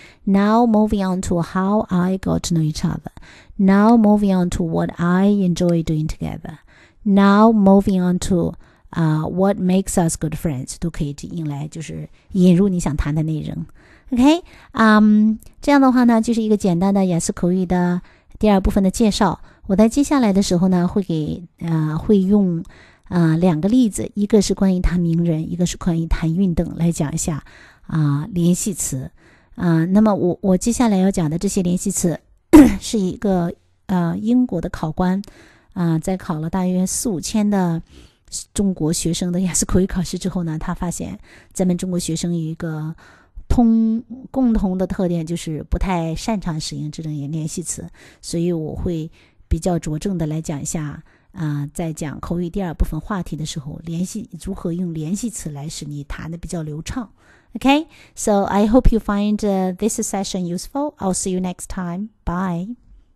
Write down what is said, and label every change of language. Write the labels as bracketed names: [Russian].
[English] Now moving on to how I got to know each other. Now moving on to what I enjoy doing together. Now moving on to what makes us good friends. [Chinese] 都可以用来就是引入你想谈的内容。OK， 这样的话呢，就是一个简单的雅思口语的第二部分的介绍。我在接下来的时候呢，会用两个例子，一个是关于谈名人，一个是关于谈运动，来讲一下联系词。那么我接下来要讲的这些联系词是一个英国的考官在考了大约4000-5000的中国学生的雅思口语考试之后呢，他发现咱们中国学生有一个共同的特点，就是不太擅长使用这种联系词，所以我会比较着重的来讲一下在讲口语第二部分话题的时候，联系如何用联系词来使你谈的比较流畅。 [English] Okay, so I hope you find this session useful. I'll see you next time. Bye.